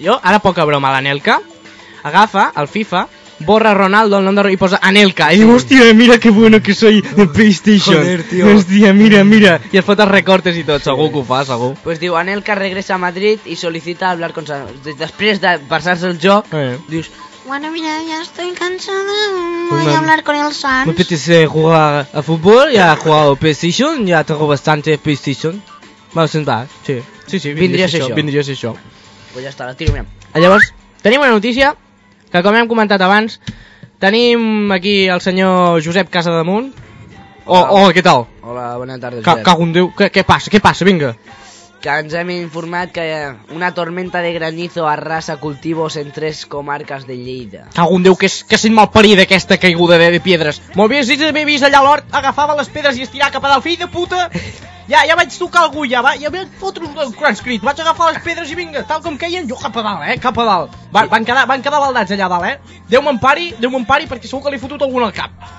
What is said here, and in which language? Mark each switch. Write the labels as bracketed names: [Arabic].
[Catalan] Jo, ara poca broma, l'Anelka agafa el FIFA... Borra Ronaldo el nom de Ronaldo i posa Anelka. I diu, hòstia, [Spanish] mira que bueno que soy de PlayStation. Joder, tio. [Catalan] Hòstia, mira, mira. I es fot els recortes i tot, segur que ho fa, segur. Pues diu, Anelka regressa a Madrid i [Spanish] solicita hablar con... [Catalan] Després de passar-se el joc, dius... [Spanish] Bueno, mira, ya estoy cansada. Voy a hablar con el Sanz. Me apetece jugar a futbol, ya he jugado PlayStation, ya tengo bastante PlayStation. Vamos a sentar, sí. [Catalan] Sí, sí, vindria a ser això. Vindria a ser això. Pues ya está, la tiro, mira. Llavors, tenim una notícia... Que com hem comentat abans, tenim aquí el senyor Josep Casademunt. Hola, què tal? Hola, bona tarda, Josep. Cago en Déu, què passa, vinga. Que ens hem informat que [Spanish] una tormenta de granizo arrasa cultivos en tres [Catalan] comarques de Lleida. Cago en Déu, que sent malparida aquesta caiguda de pedres. Molt bé, si m'he vist allà a l'hort, agafava les pedres i es tirava cap a dalt, fill de puta! Ja vaig tocar algú, ja vaig fotre un transcrit. Vaig agafar les pedres i vinga, tal com queien, jo cap a dalt, cap a dalt. Van quedar baldats allà dalt, Déu me'n pari, perquè segur que li he fotut algun al cap.